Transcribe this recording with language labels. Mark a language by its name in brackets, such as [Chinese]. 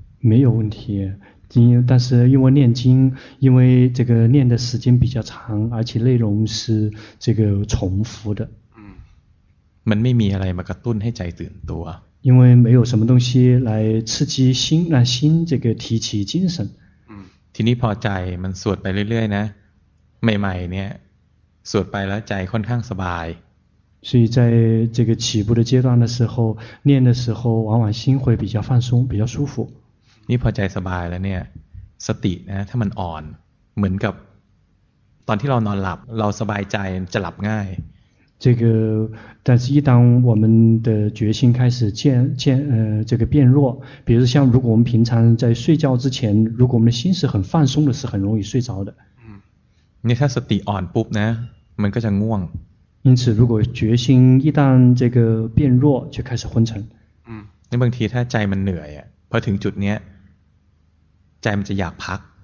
[Chinese] 没有问题但是因为念经因为这个念的时间比较长而且内容是这个重复的 [Thai] มันไม่มีอะไรมากระตุ้นให้ใจตื่นตัว [Chinese] 因为没有什么东西来刺激心让心这个提起精神 [Thai] ทีนี้พอใจมันสวดไปเรื่อยๆนะใหม่ๆเนี่ยสวดไปแล้วใจค่อนข้างสบาย [Chinese] 所以在这个起步的阶段的时候念的时候往往心会比较放松比较舒服 [Thai] นี่พอใจสบายแล้วเนี่ยสตินะถ้ามันอ่อนเหมือนกับตอนที่เรานอนหลับเราสบายใจจะหลับง่าย [Chinese] 这个但是一旦我们的决心开始这个变弱比如像如果我们平常在睡觉之前如果我们的心是很放松的是很容易睡着的 [Thai] นี่ถ้าสติอ่อนปุ๊บนะมันก็จะง่วง [Chinese] 因此如果决心一旦这个变弱就开始昏沉 [Thai] 那บางทีถ้าใจมันเหนื่อยพอถึงจุดนี้ใจมันจะอยากพัก